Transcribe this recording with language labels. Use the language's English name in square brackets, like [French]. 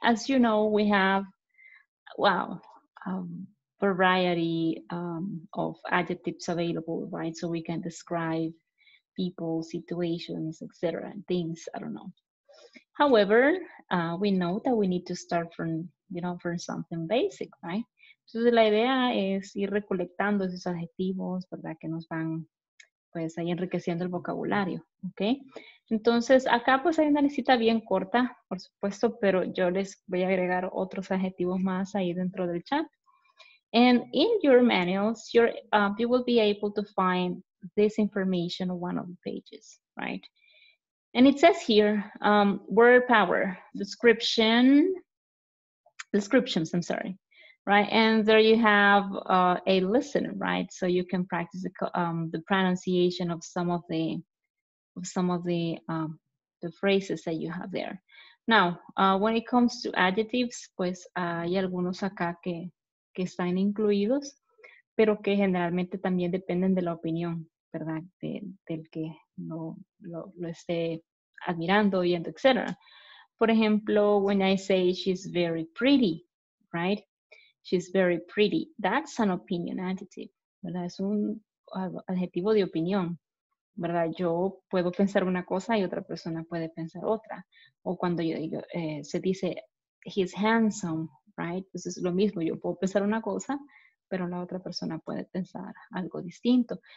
[English] As you know, we have, wow, variety of adjectives available, right? So we can describe people, situations, etc., things, I don't know. However, we know that we need to start from, you know, from something basic, right? [Spanish] Entonces la idea es ir recolectando esos adjetivos, ¿verdad? Que nos van, pues, ahí enriqueciendo el vocabulario, ¿ok? Entonces, acá pues hay una lista bien corta, por supuesto, pero yo les voy a agregar otros adjetivos más ahí dentro del chat. [English] And in your manuals, you will be able to find this information on one of the pages, right? And it says here, word power, descriptions, I'm sorry, right? And there you have a listen, right? So you can practice the pronunciation of some of the phrases that you have there. Now, when it comes to adjectives, [Spanish] pues hay algunos acá que están incluidos, pero que generalmente también dependen de la opinión, ¿verdad? Del que lo esté admirando, viendo, etc. [English] For example, when I say she's very pretty, right? She's very pretty. That's an opinion adjective, [Spanish] ¿verdad? Es un adjetivo de opinión, ¿verdad? Yo puedo pensar una cosa y otra persona puede pensar otra. O cuando se dice, [English] he's handsome, right? [Spanish] Entonces es lo mismo, yo puedo pensar una cosa, pero la otra persona puede pensar algo distinto.